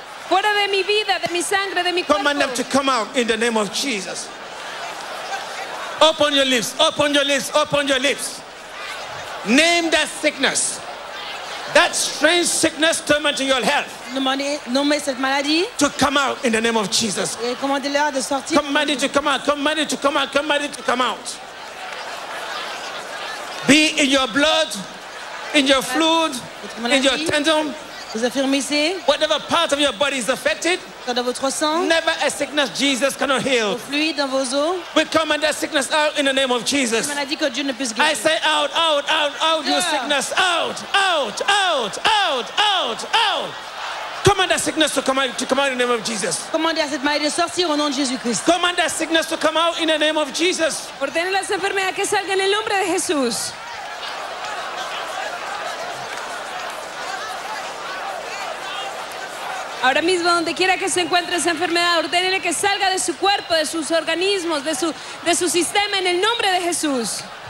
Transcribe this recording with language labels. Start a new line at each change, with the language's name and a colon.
Spanish: Fuera de mi vida, de mi sangre, de mi cuerpo.
English: Command them to come out in the name of Jesus. Open your lips. Open your lips. Open your lips. Name that sickness. That strange sickness tormenting your health.
French: Nommez cette maladie.
English: To come out in the name of Jesus.
French: Et commandez-la de sortir.
English: Command it to come out. Command it to come out. Command it to come out. Be in your blood, in your fluid, in your tendon.
French: Vous affirmez,
English: whatever part of your body is affected,
French: dans votre sang,
English: never a sickness Jesus cannot heal.
French: Fluid dans vos os,
English: we command that sickness out in the name of Jesus.
French: Maladie que Dieu ne puisse guérir.
English: I say out, out, out, out, your sickness, out, out, out, out, out, out. Command that sickness to come out in the name of Jesus.
French: Commandez à cette maladie de sortir au nom de Jésus Christ.
English: Command that sickness to come out in the name of Jesus.
Spanish: Ordenez la enfermedad que salga en el nombre de Jesús. Ahora mismo, donde quiera que se encuentre esa enfermedad, ordénele que salga de su cuerpo, de sus organismos, de su sistema, en el nombre de Jesús.